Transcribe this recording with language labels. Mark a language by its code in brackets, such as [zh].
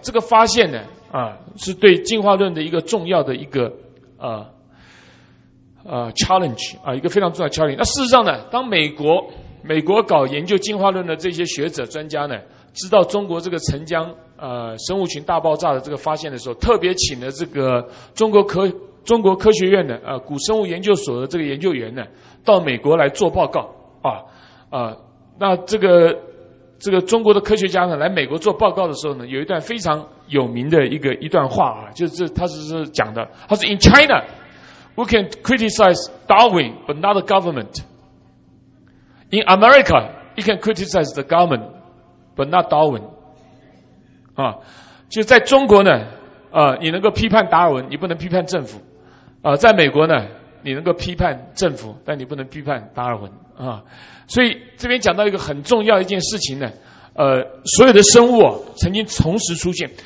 [zh] 这个发现呢，是对进化论的一个重要的一个challenge 啊、一个非常重要的 challenge。那事实上呢，当美国搞研究进化论的这些学者专家呢，知道中国这个澄江生物群大爆炸的这个发现的时候，特别请了这个中国科学院的古生物研究所的这个研究员呢，到美国来做报告啊，那这个中国的科学家呢，来美国做报告的时候呢，有一段非常有名的一段话啊，就是他是讲的，他说 [en] "In China, we can criticize Darwin, but not the government. In America, you can criticize the government, but not Darwin." [zh] 啊，就在中国呢，你能够批判达尔文，你不能批判政府。在美国呢，你能够批判政府，但你不能批判达尔文啊。所以这边讲到一个很重要一件事情呢，所有的生物、曾经同时出现。